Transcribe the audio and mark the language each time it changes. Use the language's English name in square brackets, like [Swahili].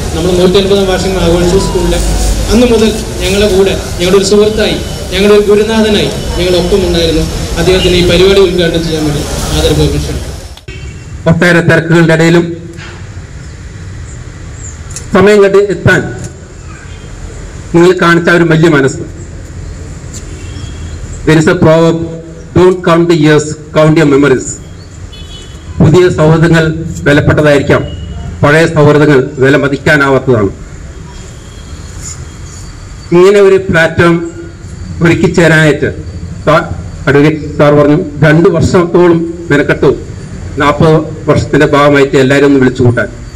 [Malayalam] നമ്മൾ 150-ാം വാർഷികം ആഘോഷിച്ചു സ്കൂളിൻ്റെ. അന്ന് മുതൽ ഞങ്ങളുടെ കൂടെ, ഞങ്ങളുടെ ഒരു സുഹൃത്തായി, ഞങ്ങളുടെ ഒരു ഗുരുനാഥനായി ഞങ്ങളൊപ്പം ഉണ്ടായിരുന്നു. അദ്ദേഹത്തിന് ഈ പരിപാടി ഉദ്ഘാടനം ചെയ്യാൻ വേണ്ടി ആദരപൂർവ്വം. ഒട്ടേറെ തിരക്കുകളുടെ ഇടയിലും സമയം കണ്ട് എത്താൻ നിങ്ങൾ കാണിച്ച ഒരു വലിയ മനസ്സ്. [English] There is a proverb, don't count the years, count your memories. [Malayalam] പുതിയ സൗഹൃദങ്ങൾ വിലപ്പെട്ടതായിരിക്കാം, പഴയ സൗഹൃദങ്ങൾ വില മതിക്കാനാവാത്തതാണ്. ഇങ്ങനെ ഒരു പ്ലാറ്റ്ഫോം ഒരുക്കിച്ചേരാനായിട്ട് അഡ്വക്കേറ്റ് സാർ പറഞ്ഞു 2 വർഷത്തോളം മെനക്കെട്ടു 40 വർഷത്തിൻ്റെ ഭാഗമായിട്ട് എല്ലാവരും ഒന്ന് വിളിച്ചു കൂട്ടാൻ.